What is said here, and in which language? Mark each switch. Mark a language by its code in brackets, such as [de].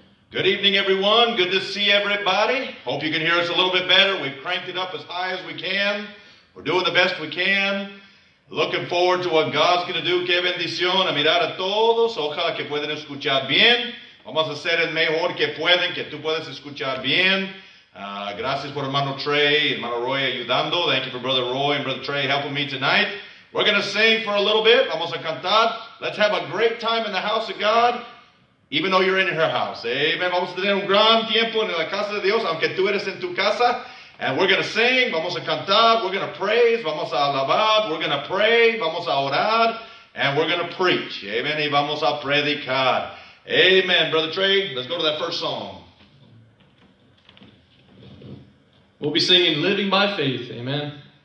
[en] Good evening, everyone. Good to see everybody. Hope you can hear us a little bit better. We've cranked it up as high as we can. We're doing the best we can. Looking forward to what God's going to do. [es] Qué bendición. A mirar a todos. Ojalá que puedan escuchar bien. Vamos a hacer el mejor que pueden, que tú puedas escuchar bien. Gracias por hermano Trey, hermano Roy ayudando. [en] Thank you for brother Roy and brother Trey helping me tonight. We're going to sing for a little bit. [es] Vamos a cantar. [en] Let's have a great time in the house of God. Even though you're in her house. Amen. [es] Vamos a tener un gran tiempo en la casa de Dios, aunque tú eres en tu casa. [en] And we're going to sing, [es] vamos a cantar, [en] we're going to praise, [es] vamos a alabar, [en] we're going to pray, [es] vamos a orar, [en] and we're going to preach. [es] Amen. Y vamos a predicar. Amen, [en] Brother Trey. Let's go to that first song. We'll be singing Living by Faith. Amen.